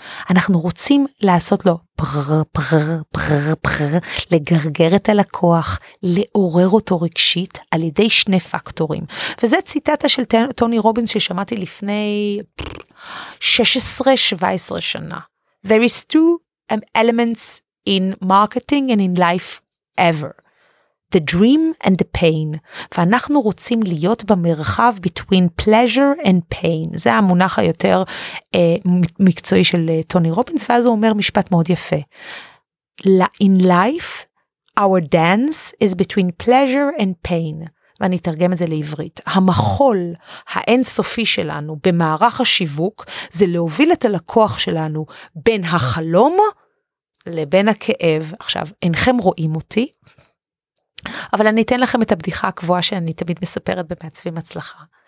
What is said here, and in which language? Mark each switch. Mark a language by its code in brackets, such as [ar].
[he] אנחנו רוצים לעשות לו פרר פרר פרר פרר, לגרגר את הלקוח, לעורר אותו רגשית על ידי שני פקטורים. וזה ציטטה של טוני רובינס ששמעתי לפני 16-17 שנה. [en] There is two elements in marketing and in life ever. The dream and the pain. [he] ואנחנו רוצים להיות במרחב [en] between pleasure and pain. [he] זה המונח היותר מקצועי של טוני רובינס, ואז הוא אומר משפט מאוד יפה. [en] In life, our dance is between pleasure and pain. [he] ואני אתרגם את זה לעברית. המחול האינסופי שלנו במערך השיווק, זה להוביל את הלקוח שלנו בין החלום לבין הכאב. עכשיו, אינכם רואים אותי, אבל אני אתן לכם את הבדיחה הקבועה שאני תמיד מספרת במעצבים הצלחה.